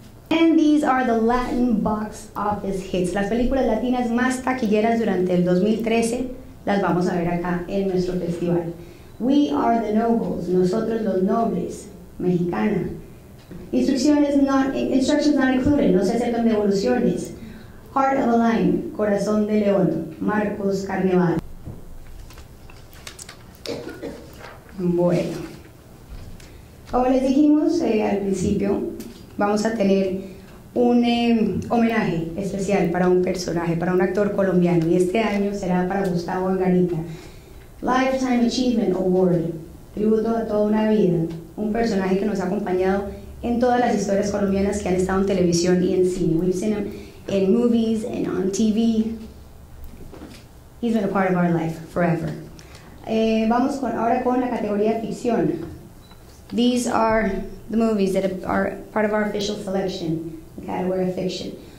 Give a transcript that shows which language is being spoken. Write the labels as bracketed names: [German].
[English] And these are the Latin box office hits. [Spanish] Las películas latinas más taquilleras durante el 2013 las vamos a ver acá en nuestro festival. [English] We are the nobles, [Spanish] nosotros los nobles, mexicana. [English] Instructions not included, [Spanish] no se aceptan devoluciones. [English] Heart of a Lion, [Spanish] Corazón de León, [English] Marcos Carnevale. [Spanish] Bueno, como les dijimos al principio, vamos a tener un homenaje especial para un personaje, para un actor colombiano, y este año será para Gustavo Angarita. [English] Lifetime Achievement Award, [Spanish] tributo a toda una vida, un personaje que nos ha acompañado en todas las historias colombianas que han estado en televisión y en cine. [English] We've seen him in movies and on TV. He's been a part of our life forever. [Spanish] Vamos con, ahora con la categoría ficción. [English] These are the movies that are part of our official selection, the category of fiction.